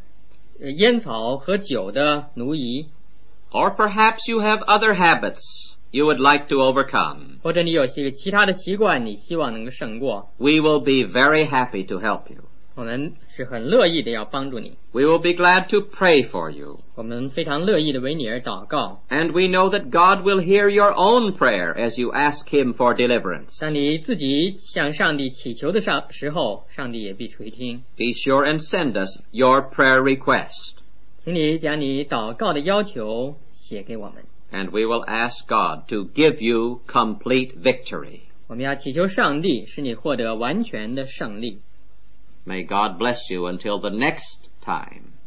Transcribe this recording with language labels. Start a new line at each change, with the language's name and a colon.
Chinese: 也许你正是受着烟草和酒的奴役。
English: Or perhaps you have other habits you would like to overcome.
Chinese: 或者你有些其他的习惯你希望能够胜过。
English: We will be very happy to help you.
Chinese: 我们是很乐意的要帮助你。
English: We will be glad to pray for you.
Chinese: 我们非常乐意的为你而祷告。
English: And we know that God will hear your own prayer as you ask him for deliverance.
Chinese: 当你自己向上帝祈求的时候, 上帝也必垂听。
English: Be sure and send us your prayer request.
Chinese: 请你将你祷告的要求写给我们。
English: And we will ask God to give you complete victory.
Chinese: 我们要祈求上帝使你获得完全的胜利。
English: May God bless you until the next time.